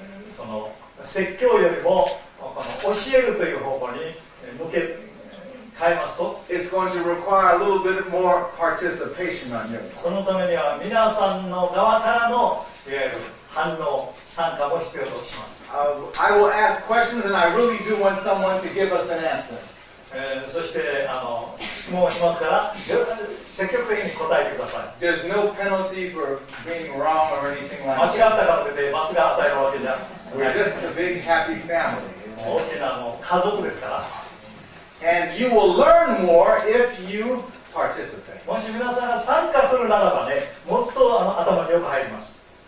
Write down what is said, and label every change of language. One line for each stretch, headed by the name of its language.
Japanese: その説教よりもこの教えるという方向に向け変えますと、
English: It's going to require a little bit more participation on your part.
Japanese: そのためには皆さんの側からのいわゆる反応、参加も必要とします。
English: I will ask questions and I really do want someone to give us an answer.
Japanese: そして質問をしますから積極的に答えてください。
English: There's no penalty for being wrong or anything like that.
Japanese: 間違ったからって罰が与えるわけじゃ。
English: We're just a big happy family.
Japanese: 大きな家族ですから。
English: And you will learn more if you participate.
Japanese: もし皆さんが参加するならばね、もっと頭によく入ります。